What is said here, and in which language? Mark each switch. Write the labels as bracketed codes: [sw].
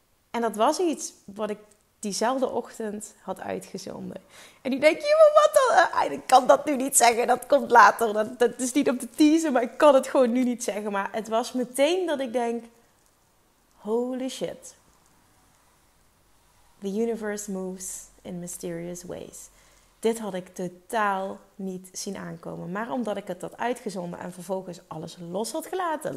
[nl] En dat was iets wat ik diezelfde ochtend had uitgezonden. En die denk, joh, wat dan? Ik kan dat nu niet zeggen, dat komt later. Dat is niet om te teasen, maar ik kan het gewoon nu niet zeggen. Maar het was meteen dat ik denk, [en] holy shit. The universe moves in mysterious ways. [nl] Dit had ik totaal niet zien aankomen. Maar omdat ik het had uitgezonden en vervolgens alles los had gelaten.